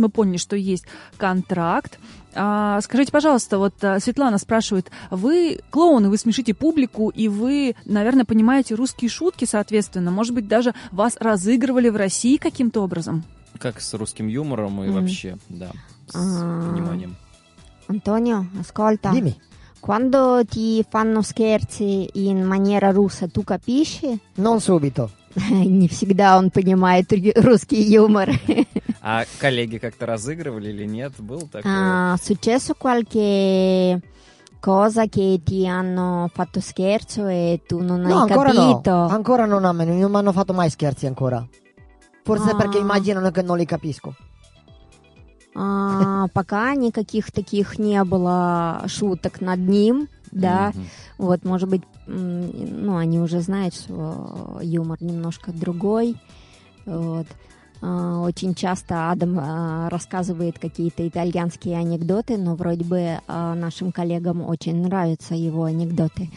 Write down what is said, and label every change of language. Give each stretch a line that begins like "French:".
Russian: Мы поняли, что есть контракт. Скажите, пожалуйста, вот Светлана спрашивает, вы клоуны, вы смешите публику, и вы, наверное, понимаете русские шутки, соответственно. Может быть, даже вас разыгрывали в России каким-то образом? Как с русским юмором и вообще, да, с пониманием.
Italian: Антонио, аскольта. Dimmi. Quando ti fanno scherzi in maniera russa, tu capisci? Non subito.
Russian: Не всегда он понимает русский юмор. А коллеги как-то разыгрывали или нет? Был такой?
Italian: Successo qualche cosa che ti hanno fatto scherzo e tu non hai capito? No, ancora no. Ancora non mi hanno fatto mai scherzi ancora. Forse perché immaginano che non li capisco.
Russian: Пока никаких таких не было шуток над ним, да, вот, может быть, ну, они уже знают, что юмор немножко другой, вот. Очень часто Адам рассказывает какие-то итальянские анекдоты, но вроде бы нашим коллегам очень нравятся его анекдоты.